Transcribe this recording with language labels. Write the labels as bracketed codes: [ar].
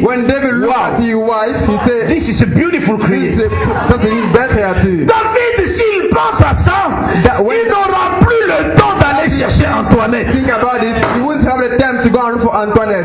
[en] when David looks at his wife, he says, this is a beautiful creature. [fr] David, s'il pense à ça, il n'aura plus le temps d'aller chercher Antoinette. [en] Think about it. He won't have the time to go and look for Antoinette.